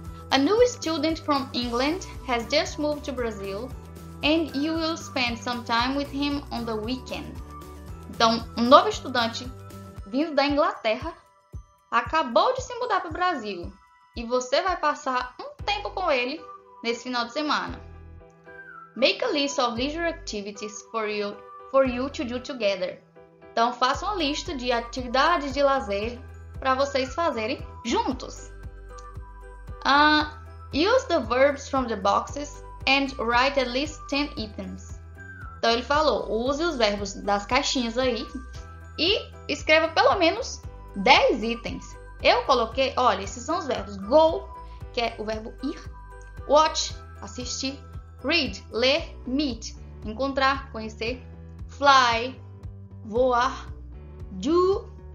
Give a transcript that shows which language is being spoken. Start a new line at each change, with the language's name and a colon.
English: A new student from England has just moved to Brazil and you will spend some time with him on the weekend.
Portuguese: Então, um novo estudante vindo da Inglaterra acabou de se mudar para o Brasil e você vai passar um tempo com ele nesse final de semana.
English: Make a list of leisure activities for you to do together.
Portuguese: Então, faça uma lista de atividades de lazer para vocês fazerem juntos.
English: Use the verbs from the boxes and write at least 10 items.
Portuguese: Então, ele falou, use os verbos das caixinhas aí e escreva pelo menos 10 itens. Eu coloquei, olha, esses são os verbos. Go, que é o verbo ir. Watch, assistir. Read, ler. Meet, encontrar, conhecer. Fly, voar, do,